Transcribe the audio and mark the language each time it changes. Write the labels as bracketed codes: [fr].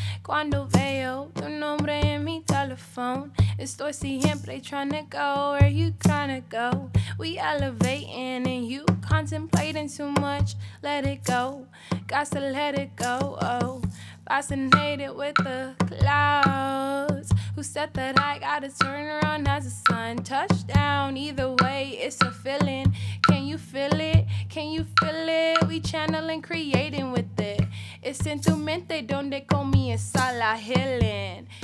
[es] Cuando veo tu nombre en mi teléfono, estoy siempre [en] trying to go where you trying to go. We elevating and you contemplating too much. Let it go, gotta let it go. Oh, fascinated with the clouds. Who said that I gotta turn around as the sun touched down? Either way, it's a feeling. Can you feel it? Can you feel it? We channeling, creating with it. [es] Es sentimente donde comienza la healing.